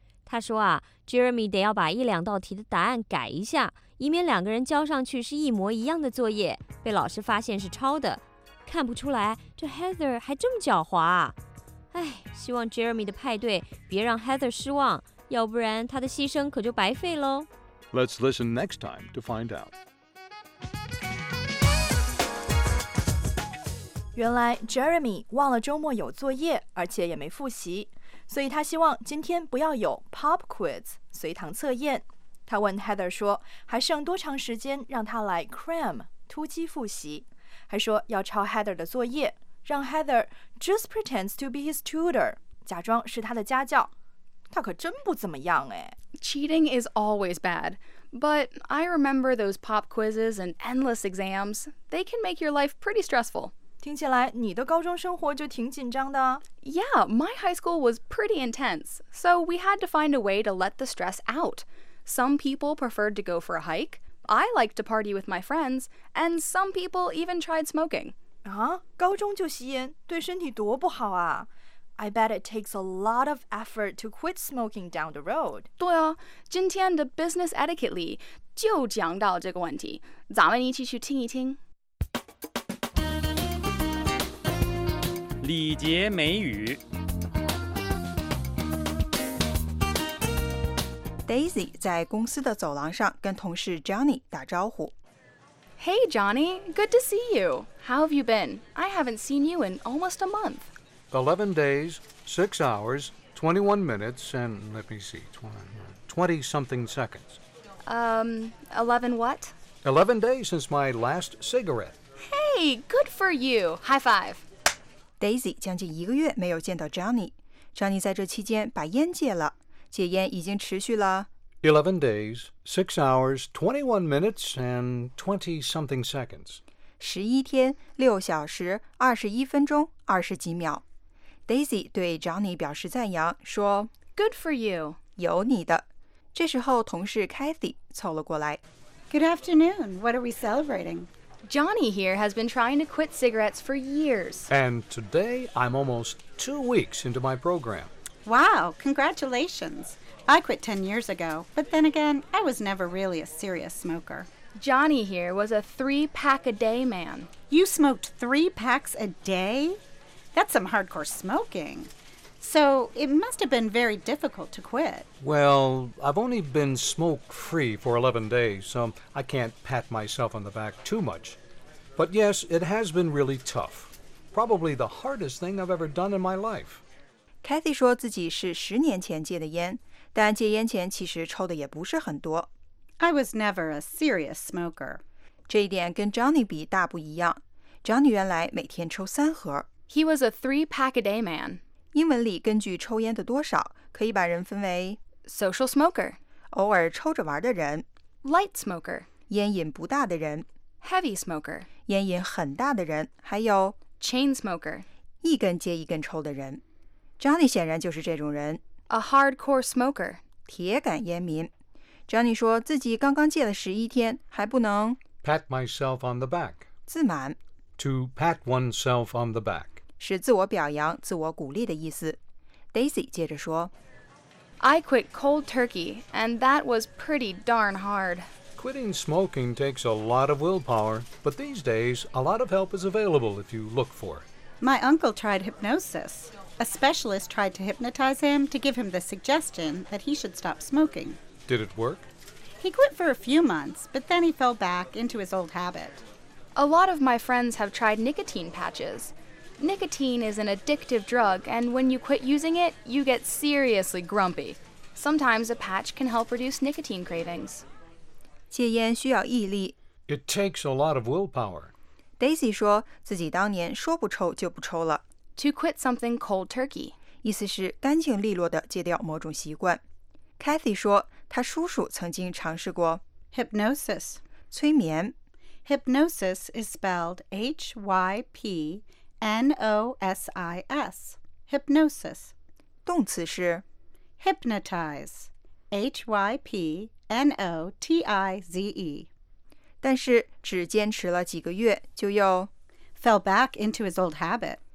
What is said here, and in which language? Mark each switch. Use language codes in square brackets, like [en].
[zh] 她说啊 ，Jeremy 得要把一两道题的答案改一下，以免两个人交上去是一模一样的作业，被老师发现是抄的。看不出来，这 Heather 还这么狡猾啊！哎，希望 Jeremy 的派对别让 Heather 失望，要不然她的牺牲可就白费喽。 [en] Let's listen next time to find out. [zh] 原来 Jeremy 忘了周末有作业，而且也没复习，所以他希望今天不要有 pop quiz 随堂测验。他问 Heather 说，还剩多长时间让他来 cram 突击复习，还说要抄 Heather 的作业，让 Heather [en] just pretends to be his tutor， [zh] 假装是他的家教。他可真不怎么样哎。 [en] Cheating is always bad, but I remember those pop quizzes and endless exams. They can make your life pretty stressful. [zh] 听起来你的高中生活就挺紧张的。 [en] Yeah, my high school was pretty intense, so we had to find a way to let the stress out. Some people preferred to go for a hike, I liked to party with my friends, and some people even tried smoking. [zh] 啊，高中就吸烟，对身体多不好啊。 [en] I bet it takes a lot of effort to quit smoking down the road. [zh] 对啊，今天的 business etiquette 里就讲到这个问题，咱们一起去听一听。礼节美语。 Daisy 在公司的走廊上跟同事 Johnny 打招呼。 [en] Hey Johnny, good to see you. How have you been? I haven't seen you in almost a month. 11 days, 6 hours, 21 minutes, and let me see, 20-something seconds. 11 what? 11 days since my last cigarette. Hey, good for you. High five. [zh] Daisy 将近一个月没有见到 Johnny. Johnny 在这期间把烟戒了。戒烟已经持续了。 [en] 11 days, 6 hours, 21 minutes, and 20-something seconds. [zh] 11天, 6小时, 21分钟, 20几秒。 Daisy 对 Johnny 表示赞扬，说 [en] Good for you. [zh] 有你的。这时候同事 Kathy 凑了过来。 [en] Good afternoon. What are we celebrating? Johnny here has been trying to quit cigarettes for years. And today I'm almost 2 weeks into my program. Wow, congratulations. I quit 10 years ago, but then again, I was never really a serious smoker. Johnny here was a 3-pack-a-day man. You smoked 3 packs a day? That's some hardcore smoking. So it must have been very difficult to quit. Well, I've only been smoke-free for 11 days, so I can't pat myself on the back too much. But yes, it has been really tough. Probably the hardest thing I've ever done in my life. [zh] Kathy 说自己是十年前戒的烟，但戒烟前其实抽的也不是很多。 [en] I was never a serious smoker. [zh] 这一点跟 Johnny 比大不一样。Johnny 原来每天抽三盒。 [en] He was a 3-pack-a-day man. [zh] 英文里根据抽烟的多少，可以把人分为 [en] social smoker, [zh] 偶尔抽着玩的人 [en] light smoker, [zh] 烟瘾不大的人 [en] heavy smoker, [zh] 烟瘾很大的人，还有 [en] chain smoker, [zh] 一根接一根抽的人。 Johnny 显然就是这种人。 [en] A hardcore smoker, [zh] 铁杆烟民。 Johnny 说自己刚刚戒了十一天，还不能 [en] pat myself on the back, [zh] 自满。 [en] To pat oneself on the back, [zh] 是自我表扬、自我鼓励的意思。 Daisy 接着说 [en] I quit cold turkey, and that was pretty darn hard. Quitting smoking takes a lot of willpower, but these days, a lot of help is available if you look for it. My uncle tried hypnosis. A specialist tried to hypnotize him to give him the suggestion that he should stop smoking. Did it work? He quit for a few months, but then he fell back into his old habit. A lot of my friends have tried nicotine patches. Nicotine is an addictive drug, and when you quit using it, you get seriously grumpy. Sometimes a patch can help reduce nicotine cravings. [zh] 戒烟需要毅力。 [en] It takes a lot of willpower. [zh] Daisy 说自己当年说不抽就不抽了。 [en] To quit something cold turkey. [zh] 意思是干净利落地戒掉某种习惯。Kathy 说她叔叔曾经尝试过 [en] Hypnosis. [zh] 催眠。 [en] Hypnosis is spelled H-Y-P-N-O-S-I-S, hypnosis. [zh] 动词是 [en] hypnotize, H-Y-P-N-O-T-I-Z-E. [zh] 但是只坚持了几个月就又 [en] fell back into his old habit.